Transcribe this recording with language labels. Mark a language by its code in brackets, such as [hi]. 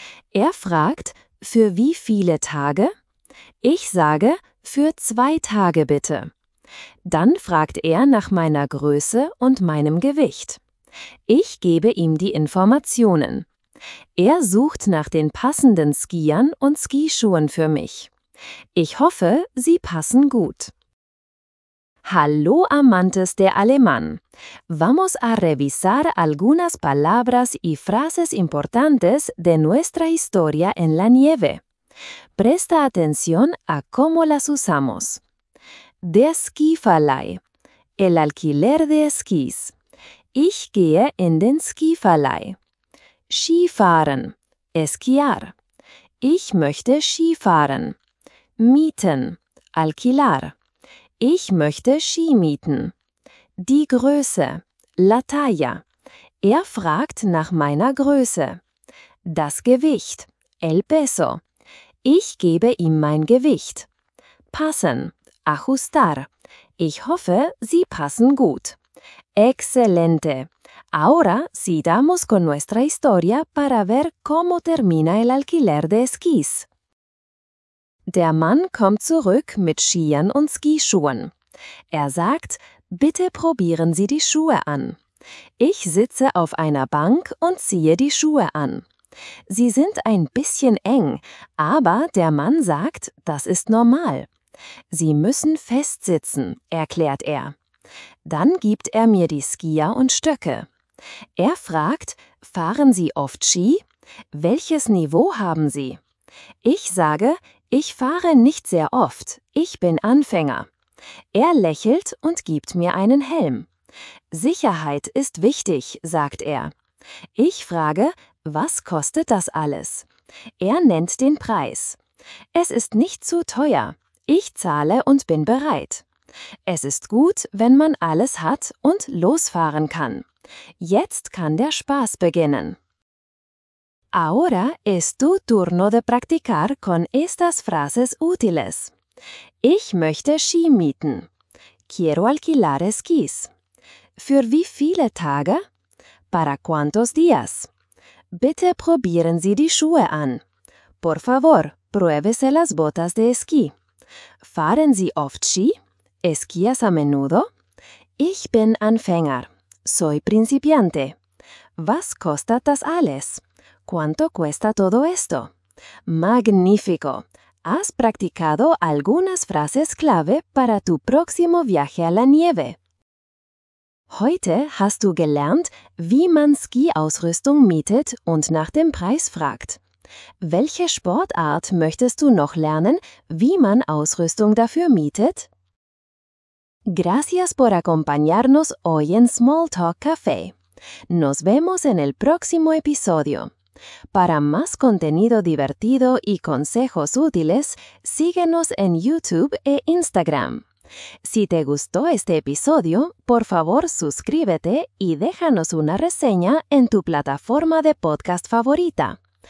[de] Er fragt: "Für wie viele Tage?" Ich sage: "Für 2 Tage bitte." Dann fragt er nach meiner Größe und meinem Gewicht. Ich gebe ihm die Informationen. Er sucht nach den passenden Skiern und Skischuhen für mich. Ich hoffe, sie passen gut. [es] Hallo, amantes de alemán. Vamos a revisar algunas palabras y frases importantes de nuestra historia en la nieve. Presta atención a cómo las usamos. Der Skiverleih. El alquiler de esquís. [de] Ich gehe in den Skiverleih. Skifahren. Esquiar. Ich möchte skifahren. Mieten. Alquilar. Ich möchte Ski mieten. Die Größe. La talla. Er fragt nach meiner Größe. Das Gewicht. El peso. Ich gebe ihm mein Gewicht. Passen. Ajustar. Ich hoffe, sie passen gut. [es] Excelente. Ahora sigamos con nuestra historia para ver cómo termina el alquiler de esquís. [de] Der Mann kommt zurück mit Skiern und Skischuhen. Er sagt: "Bitte probieren Sie die Schuhe an." Ich sitze auf einer Bank und ziehe die Schuhe an. Sie sind ein bisschen eng, aber der Mann sagt, das ist normal. Sie müssen festsitzen, erklärt er. Dann gibt er mir die Skier und Stöcke. Er fragt: "Fahren Sie oft Ski? Welches Niveau haben Sie?" Ich sage: "Ich fahre nicht sehr oft, ich bin Anfänger." Er lächelt und gibt mir einen Helm. "Sicherheit ist wichtig", sagt er. Ich frage: "Was kostet das alles?" Er nennt den Preis. "Es ist nicht zu teuer. Ich zahle und bin bereit." Es ist gut, wenn man alles hat und losfahren kann. Jetzt kann der Spaß beginnen. [es] Ahora es tu turno de practicar con estas frases útiles. [de] Ich möchte Ski mieten. [es] Quiero alquilar esquís. [de] Für wie viele Tage? [es] Para cuántos días? [de] Bitte probieren Sie die Schuhe an. [es] Por favor, pruébese las botas de esquí. [de] Fahren Sie oft Ski? [es] ¿Esquías a menudo? [de] Ich bin Anfänger. [es] Soy principiante. [de] Was kostet das alles? [es] ¿Cuánto cuesta todo esto? ¡Magnífico! Has practicado algunas frases clave para tu próximo viaje a la nieve. [de] Heute hast du gelernt, wie man Skiausrüstung mietet und nach dem Preis fragt. Welche Sportart möchtest du noch lernen, wie man Ausrüstung dafür mietet? [es] Gracias por acompañarnos hoy en Small Talk Café. Nos vemos en el próximo episodio. Para más contenido divertido y consejos útiles, síguenos en YouTube e Instagram. Si te gustó este episodio, por favor suscríbete y déjanos una reseña en tu plataforma de podcast favorita.